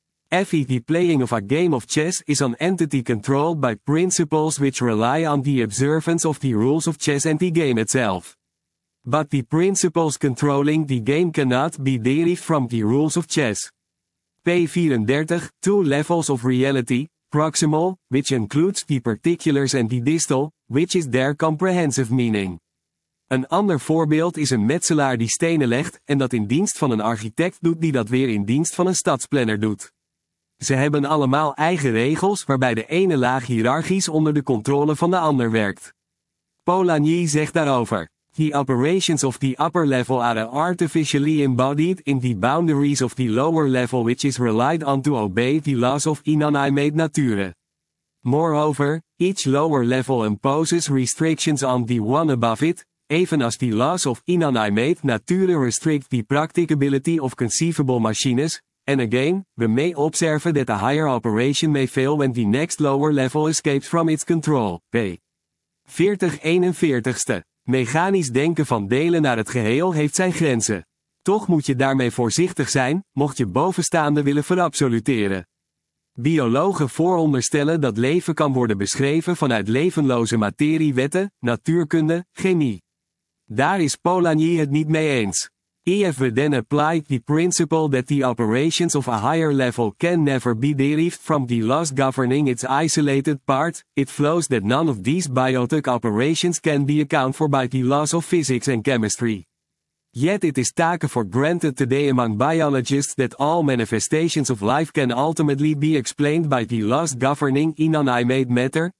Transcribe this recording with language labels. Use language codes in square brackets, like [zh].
[en] Effie, the playing of a game of chess is an entity controlled by principles which rely on the observance of the rules of chess and the game itself. But the principles controlling the game cannot be derived from the rules of chess. P34, two levels of reality, proximal, which includes the particulars and the distal, which is their comprehensive meaning. [nl] Een ander voorbeeld is een metselaar die stenen legt en dat in dienst van een architect doet die dat weer in dienst van een stadsplanner doet. Ze hebben allemaal eigen regels waarbij de ene laag hiërarchisch onder de controle van de ander werkt. Polanyi zegt daarover. [en] The operations of the upper level are artificially embodied in the boundaries of the lower level which is relied on to obey the laws of inanimate nature. Moreover, each lower level imposes restrictions on the one above it, even as the laws of inanimate nature restrict the practicability of conceivable machines, and again, we may observe that a higher operation may fail when the next lower level escapes from its control. P. 40. [nl] Mechanisch denken van delen naar het geheel heeft zijn grenzen. Toch moet je daarmee voorzichtig zijn, mocht je bovenstaande willen verabsoluteren. Biologen vooronderstellen dat leven kan worden beschreven vanuit levenloze materiewetten, natuurkunde, chemie. Daar is Polanyi het niet mee eens. [en] If we then apply the principle that the operations of a higher level can never be derived from the last governing its isolated part, it flows that none of these biotic operations can be accounted for by the laws of physics and chemistry. Yet it is taken for granted today among biologists that all manifestations of life can ultimately be explained by the laws governing inanimate matter.